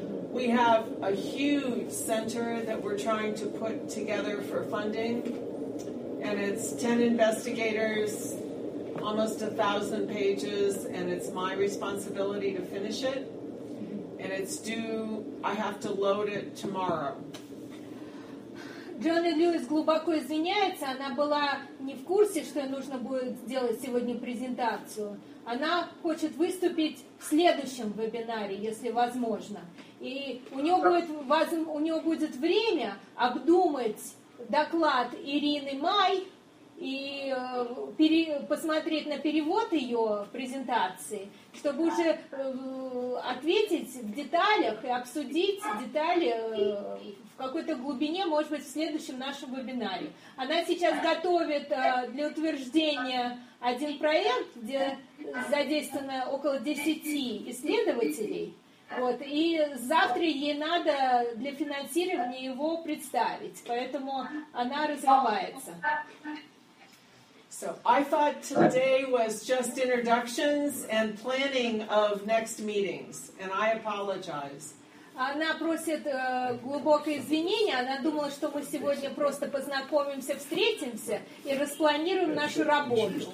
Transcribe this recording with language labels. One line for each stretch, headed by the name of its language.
English: We have a huge center that we're trying to put together for funding, and it's 10 investigators, almost 1,000 pages, and it's my responsibility to finish it, and it's due, I have to load it tomorrow.
Russian: Джоанна Льюис глубоко извиняется, она была не в курсе, что ей нужно будет сделать сегодня презентацию. Она хочет выступить в следующем вебинаре, если возможно. И у нее будет время обдумать доклад Ирины Май и посмотреть на перевод ее презентации, чтобы уже ответить в деталях и обсудить детали в какой-то глубине, может быть, в следующем нашем вебинаре. Она сейчас готовит для утверждения один проект, где задействовано около 10 исследователей. Вот, и завтра ей надо для финансирования его представить. Поэтому она развивается.
English: So I thought today was just introductions and planning of next meetings, and I apologize.
Russian: Она просит глубокое извинение. Она думала, что мы сегодня просто познакомимся, встретимся и распланируем нашу работу.